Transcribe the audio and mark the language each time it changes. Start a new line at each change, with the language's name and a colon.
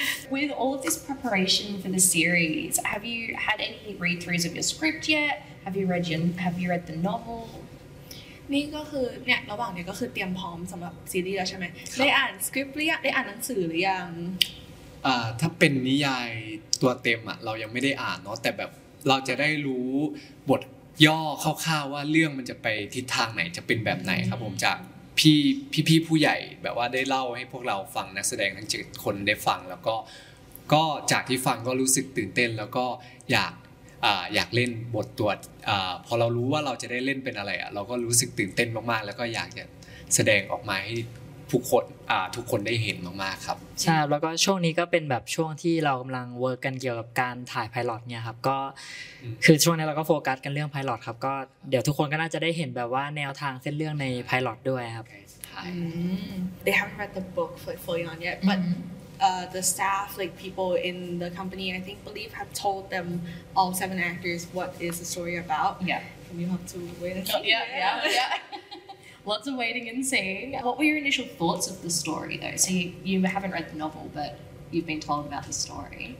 English: With all of this preparation for the series, have you had any read-throughs of your script yet? Have you read the novel?
Thai: นี่ก็คือเนี่ยระหว่างเนี่ยก็คือเตรียมพร้อมสำหรับซีรีส์แล้วใช่ไหมได้อ่านสคริปต์หรือยังได้อ่านหนังสือหรือยัง ถ้าเป็นนิยายตัวเต็มอ่ะเรายังไม่ได้อ่านเนาะแต่แบบเราจะได้รู้บทย่อคร่าวๆว่าเรื่องมันจะไปทิศทางไหนจะเป็นแบบไหนครับผมจากพี่ผู้ใหญ่แบบว่าได้เล่าให้พวกเราฟังนักแสดงทั้ง7คนได้ฟังแล้วก็จากที่ฟังก็รู้สึกตื่นเต้นแล้วก็อยากเล่นบทตัวพอเรารู้ว่าเราจะได้เล่นเป็นอะไรอ่ะเราก็รู้สึกตื่นเต้นมากๆแล้วก็อยากจะแสดงออกมาให้ทุกคนได้เห็นมากๆครับ ใช่แล้วก็ช่วงนี้ก็เป็นแบบช่วงที่เรากําลังเวิร์คกันเกี่ยวกับการถ่ายไพลอตเนี่ยครับก็คือช่วงนี้เราก็โฟกัสกันเรื่องไพลอตครับก็เดี๋ยวทุกคนก็น่าจะได้เห็นแบบว่าแนวทางเส้นเรื่องในไพลอตด้วยครับ
English: They haven't read the book fully on yet but the staff like people in the company I think believe have told them all 7 actors what is the story about yeah and you have to wait until yeah Lots of waiting and seeing. What were your initial thoughts of the story, though? So you haven't read the novel, but you've been told about the story.